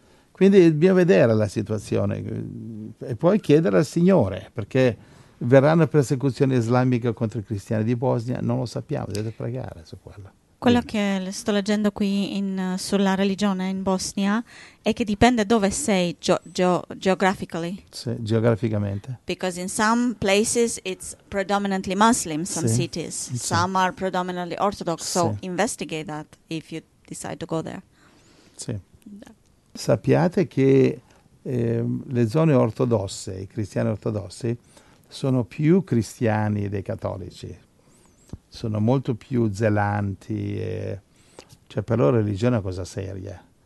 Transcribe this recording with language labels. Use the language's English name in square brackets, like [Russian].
[Italian] Quindi dobbiamo vedere la situazione e poi chiedere al Signore, perché verranno persecuzioni islamiche contro i cristiani di Bosnia, non lo sappiamo, dovete pregare su quello. Quello che sto leggendo qui sulla religione in Bosnia è che dipende dove sei geographically. Sì, geograficamente. [English] Because in some places it's predominantly Muslim, some [Italian] sì. [English] cities. [Italian] Sì. [English] Some are predominantly Orthodox, [Italian] sì. [English] So investigate that if you decide to go there. [Italian] Sì. Sappiate che le zone ortodosse, i cristiani ortodossi, sono più cristiani dei cattolici. Sono molto più zelanti, cioè per loro la religione è una cosa seria.